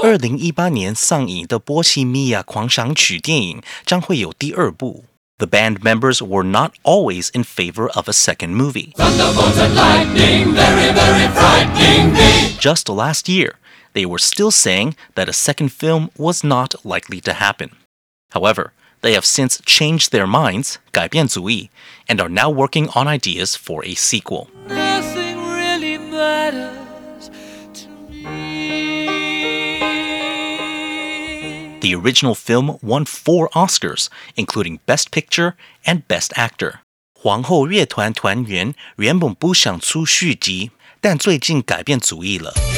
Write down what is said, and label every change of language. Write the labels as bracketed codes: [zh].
[zh] 2018年上映的《波西米亚狂想曲》电影将会有第二部。 [en] The band members were not always in favor of a second movie. Thunderbolts and lightning, very, very frightening me. Just last year, they were still saying that a second film was not likely to happen. However, they have since changed their minds, [zh] 改变主意, [en] and are now working on ideas for a sequel. Nothing really matters to me. The original film won 4 Oscars, including Best Picture and Best Actor. [zh] 皇后乐团团员原本不想出续集, 但最近改变主意了.